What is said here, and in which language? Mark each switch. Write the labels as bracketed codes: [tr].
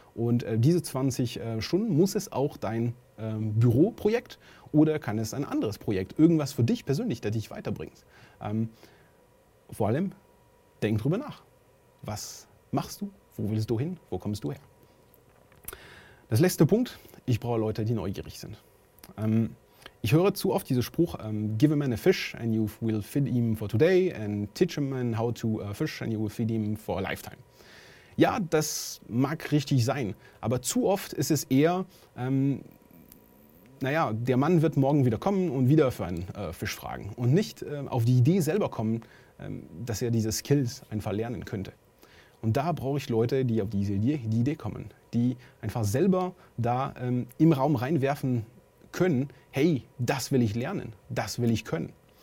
[de] Und diese 20 Stunden muss es auch dein Büroprojekt oder kann es ein anderes Projekt, irgendwas für dich persönlich, der dich weiterbringt. Vor allem, denk drüber nach. Was machst du? Wo willst du hin? Wo kommst du her? Das letzte Punkt, ich brauche Leute, die neugierig sind. Ich höre zu oft diesen Spruch, [en] give a man a fish and you will feed him for today and teach a man how to fish and you will feed him for a lifetime. [de] Ja, das mag richtig sein, aber zu oft ist es eher, der Mann wird morgen wieder kommen und wieder für einen Fisch fragen und nicht auf die Idee selber kommen, dass er diese Skills einfach lernen könnte. Und da brauche ich Leute, die auf diese Idee kommen, die einfach selber da im Raum reinwerfen können, hey, das will ich lernen, das will ich können.